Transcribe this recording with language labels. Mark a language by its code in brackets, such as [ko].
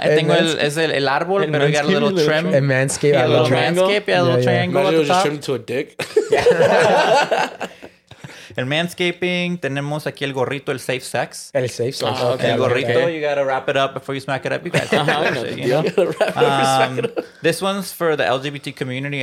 [en] I think it's [es] el árbol, [en] but we got a little trim. And Manscaped. A little Manscaped, yeah, a little triangle. Imagine it was just trimmed to a dick. [es] En Manscaping, tenemos aquí el gorrito, el safe sex. El safe sex. [en] Oh, okay. [es] El gorrito, [en] okay. You gotta wrap it up before you smack it up. You guys uh-huh, know, you know? You it up. This one's for the LGBT community.